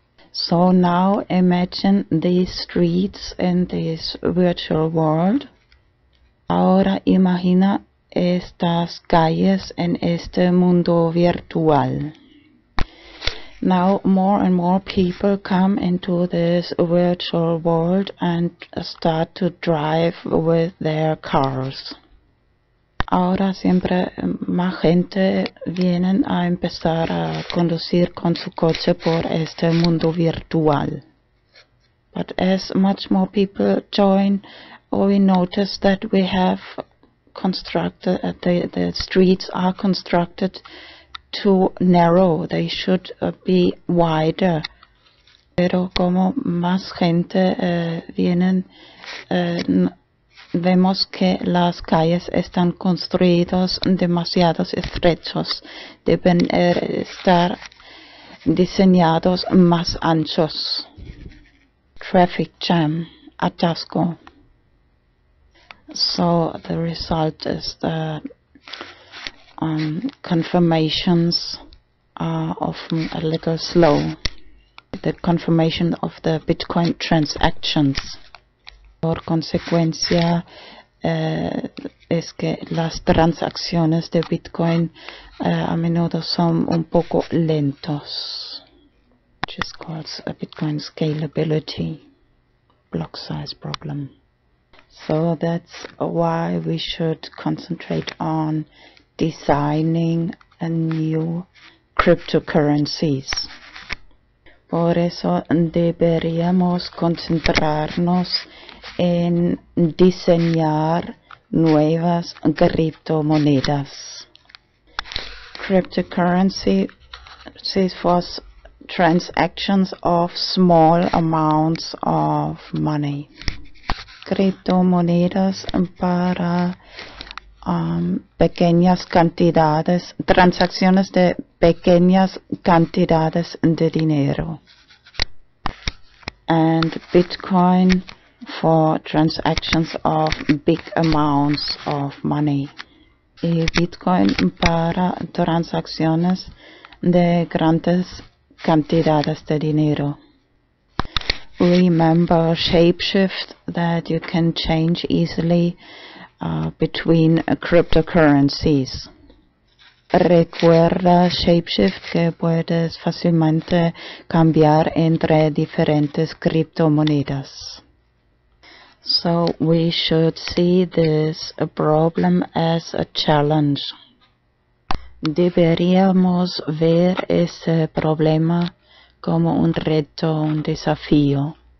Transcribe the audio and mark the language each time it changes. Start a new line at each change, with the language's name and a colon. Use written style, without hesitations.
English: So now imagine these streets in this virtual world.
Spanish: Ahora imagina estas calles en este mundo virtual.
English: Now more and more people come into this virtual world and start to drive with their cars.
Spanish: Ahora siempre más gente vienen a empezar a conducir con su coche por este mundo virtual.
English: But as much more people join, we notice that we have constructed, the streets are constructed too narrow. They should be wider.
Spanish: Pero como más gente vienen, vemos que las calles están construidas demasiado estrechos. Deben estar diseñados más anchos.
English: Traffic jam,
Spanish: atasco.
English: So the result is that confirmations are often a little slow. The confirmation of the Bitcoin transactions.
Spanish: Por consecuencia, es que las transacciones de Bitcoin a menudo son un poco lentos.
English: Which is called a Bitcoin scalability block size problem. So that's why we should concentrate on designing a new cryptocurrencies.
Spanish: Por eso deberíamos concentrarnos en diseñar nuevas criptomonedas.
English: Cryptocurrencies for transactions of small amounts of money.
Spanish: Criptomonedas para pequeñas cantidades, transacciones de pequeñas cantidades de dinero.
English: And Bitcoin for transactions of big amounts of money.
Spanish: Y Bitcoin para transacciones de grandes cantidades de dinero.
English: Remember shapeshift, that you can change easily between cryptocurrencies.
Spanish: Recuerda shapeshift, que puedes fácilmente cambiar entre diferentes criptomonedas.
English: So we should see this problem as a challenge.
Spanish: Deberíamos ver ese problema como un reto, un desafío.